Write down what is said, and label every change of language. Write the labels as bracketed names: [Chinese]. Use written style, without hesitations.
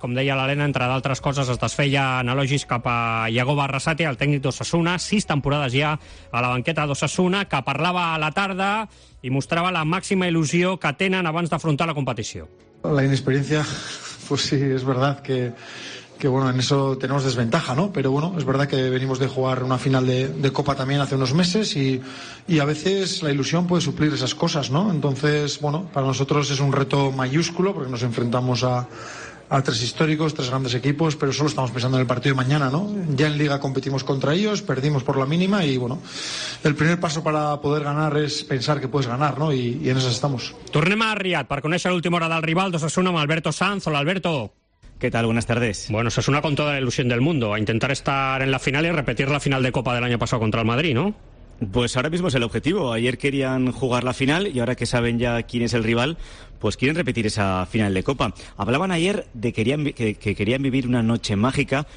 [Catalan] Com deia l'Helena, entre d'altres coses es desfeia en elogis cap a Iagoba Arrasate, el tècnic d'Osasuna, 6 temporades ja a la banqueta d'Osasuna, que parlava a la tarda i mostrava la màxima il·lusió que tenen abans d'afrontar la competició. [Spanish] La inexperiencia, pues sí, es verdad que bueno, en eso tenemos desventaja, ¿no? Pero bueno, es verdad que venimos de jugar una final de Copa también hace unos meses y a veces la ilusión puede suplir esas cosas, ¿no? Entonces, bueno, para nosotros es un reto mayúsculo porque nos enfrentamos a tres históricos, tres grandes equipos, pero solo estamos pensando en el partido de mañana, ¿no? Ya en Liga competimos contra ellos, perdimos por la mínima y bueno, el primer paso para poder ganar es pensar que puedes ganar, ¿no? Y en esas estamos. [Catalan] Tornem a Riad per conèixer l'última hora del rival, 2-1 amb Alberto Sanz. Hola, Alberto. [Spanish] ¿Qué tal? Buenas tardes. Bueno, se suena con toda la ilusión del mundo a intentar estar en la final y repetir la final de Copa del año pasado contra el Madrid, ¿no? Pues ahora mismo es el objetivo. Ayer querían jugar la final y ahora que saben ya quién es el rival, pues quieren repetir esa final de Copa. Hablaban ayer de que querían vivir una noche mágica.